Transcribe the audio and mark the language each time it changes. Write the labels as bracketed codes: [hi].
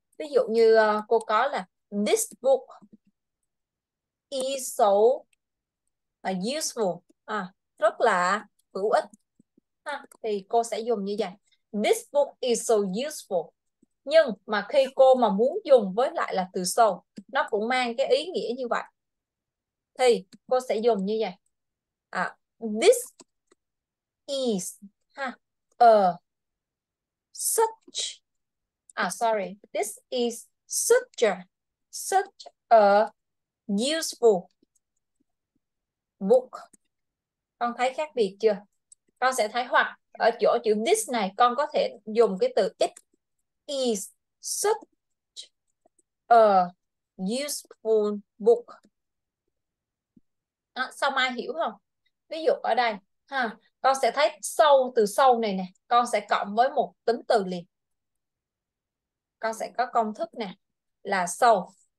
[vi] Ví dụ như cô có là [en] this book is so useful, [vi] rất là hữu ích, thì cô sẽ dùng như vậy, this book is so useful. Nhưng mà khi cô mà muốn dùng với lại là từ so, nó cũng mang cái ý nghĩa như vậy, thì cô sẽ dùng như vậy. [en] This is a such, sorry, this is such a useful book. [vi] Con thấy khác biệt chưa? Con sẽ thấy hoặc ở chỗ chữ this này con có thể dùng cái từ [en] it is such a useful book. [vi] Sao Mai hiểu không? Ví dụ ở đây con sẽ thấy sâu, từ sâu này nè con sẽ cộng với một tính từ liền, con sẽ có công thức nè là sâu.